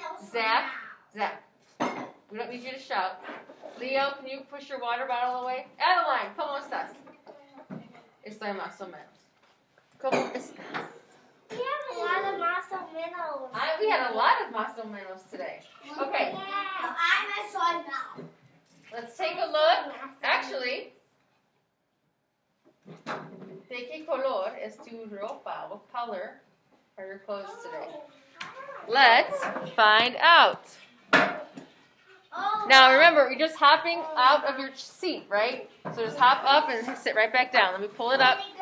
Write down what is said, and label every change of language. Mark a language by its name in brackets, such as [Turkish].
[English] Zach, Zach, we don't need you to shout. Leo, can you push your water bottle away? [Spanish] Adeline, ¿cómo estás? Estoy más o menos. ¿Cómo estás? [English] We have a lot of [Spanish] más o menos. [English] We had a lot of [Spanish] más o menos [English] today. Okay. I'm a son now. Let's take a look. [Spanish] Actually, ¿de qué color es tu ropa? [English] What color are your clothes today? Let's find out. Now remember, you're just hopping out of your seat, right? So just hop up and sit right back down. Let me pull it up.